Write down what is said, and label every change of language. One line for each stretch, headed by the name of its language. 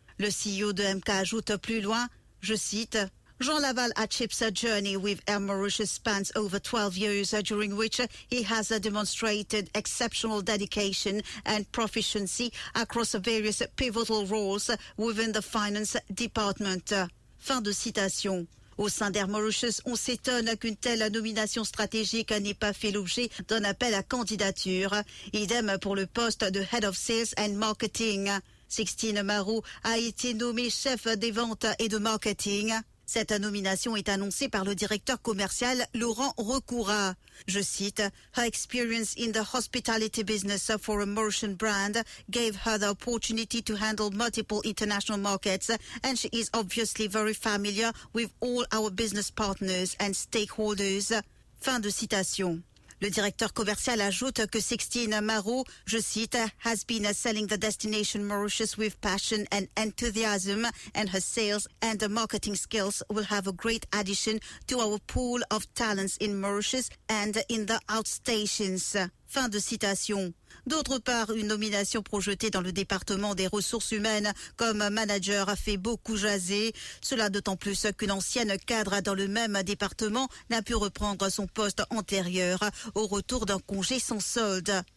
French: Le CEO de MK ajoute plus loin, je cite,
English: Jean Laval achieves a journey with Air Mauritius spans over 12 years, during which he has demonstrated exceptional dedication and proficiency across various pivotal roles within the finance department.
French: Fin de citation. Au sein d'Air Mauritius, on s'étonne qu'une telle nomination stratégique n'ait pas fait l'objet d'un appel à candidature. Idem pour le poste de Head of Sales and Marketing. Sixtine Marou a été nommée chef des ventes et de marketing. Cette nomination est annoncée par le directeur commercial Laurent Recoura. Je cite,
English: Her experience in the hospitality business for a Mauritian brand gave her the opportunity to handle multiple international markets and she is obviously very familiar with all our business partners and stakeholders.
French: Fin de citation. Le directeur commercial ajoute que Sixtine Marou, je cite,
English: has been selling the destination Mauritius with passion and enthusiasm and her sales and marketing skills will have a great addition to our pool of talents in Mauritius and in the outstations.
French: Fin de citation. D'autre part, une nomination projetée dans le département des ressources humaines comme manager a fait beaucoup jaser. Cela d'autant plus qu'une ancienne cadre dans le même département n'a pu reprendre son poste antérieur au retour d'un congé sans solde.